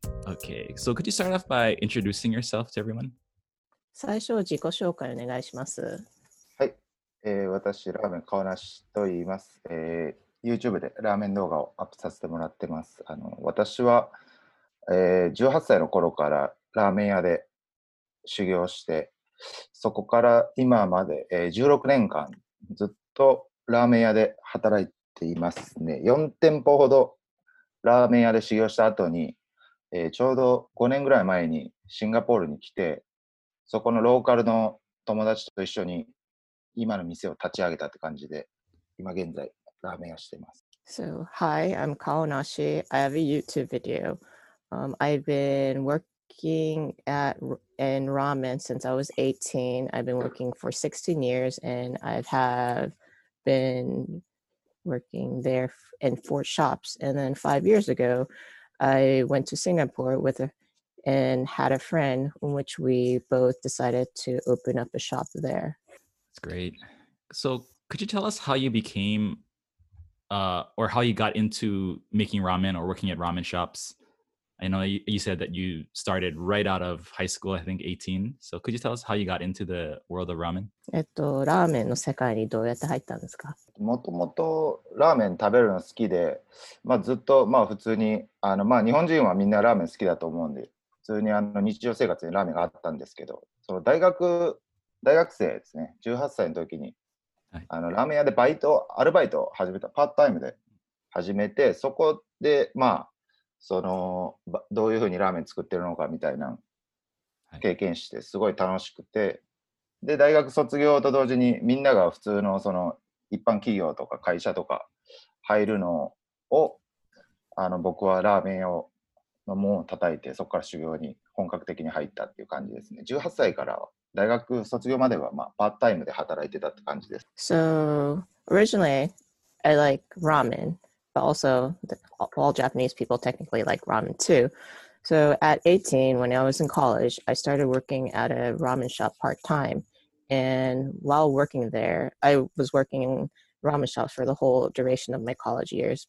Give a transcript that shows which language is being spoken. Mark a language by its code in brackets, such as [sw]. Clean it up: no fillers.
[en] Okay, so could you start off by introducing yourself to everyone? [ja] 最初自己紹介お願いします。はい、私ラーメンカオナシと言います。 YouTube でラーメン動画をアップさせてもらってます。私は、18歳の頃からラーメン屋で修行して、そこから今まで、16年間ずっとラーメン屋で働いてていますね。 4店舗ほどラーメン屋で修行した後に、ちょうど5年ぐらい前にシンガポールに来て、そこのローカルの友達と一緒に今の店を立ち上げたって感じで、今現在ラーメン屋しています。 [en] So hi, I'm Kaonashi. I have a YouTube video. I've been working in ramen since I was 18. I've been working for 16 years, and I've beenworking there in 4 shops. And then 5 years ago, I went to Singapore and had a friend in which we both decided to open up a shop there. That's great. So could you tell us how you became, or how you got into making ramen or working at ramen shops? I know you said that you started right out of high school, I think 18. So could you tell us how you got into the world of ramen? [ja] ラーメンの世界にどうやって入ったんですか？もともとラーメン食べるの好きで、まあ、ずっと、まあ、普通に日本人はみんなラーメン好きだと思うんで、普通に日常生活にラーメンがあったんですけど、その大学生ですね、18歳の時に、はい、ラーメン屋でバイト、アルバイトを始めた、パートタイムで始めて、そこで、まあそのどういうふうにラーメン作ってるのかみたいな経験してすごい楽しくて、はい、で大学卒業と同時にみんなが普通のその一般企業とか会社とか入るのを僕はラーメン屋の門を叩いてそこから修行に本格的に入ったっていう感じですね。 18歳から大学卒業まではまあパートタイムで働いてたって感じです。 [en] So originally I like ramenBut also, all Japanese people technically like ramen too. So at 18, when I was in college, I started working at a ramen shop part-time. And while working there, I was working in ramen shops for the whole duration of my college years.